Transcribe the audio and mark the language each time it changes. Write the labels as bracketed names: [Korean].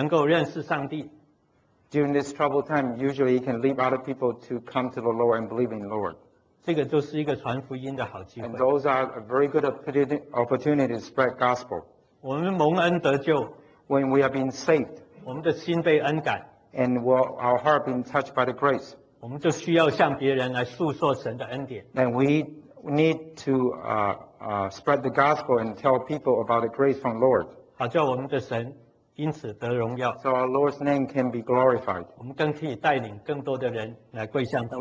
[Chinese] 如果因着这样子的一个个人的经验，让更多人，特别是那些还没有信主的人，能够认识上帝。 [English] During this troubled time, usually it can lead other people to come to the Lord and believe in the Lord. [Chinese] 这个就是一个传福音的好机会。 [English] And those are a very good opportunity to spread gospel. [Chinese] 我们蒙恩得救。 [English] When we have been saved. [Chinese] 我们的心被恩感。 [English] And our heart being touched by the grace. [Chinese] 我们就需要向别人来诉说神的恩典。 [English] And we need to spread the gospel and tell people about the grace from the Lord. [Chinese] 好叫我们的神因此得荣耀。 [English] So our Lord's name can be glorified. [Chinese] 我们更可以带领更多的人来归向他。 [English] And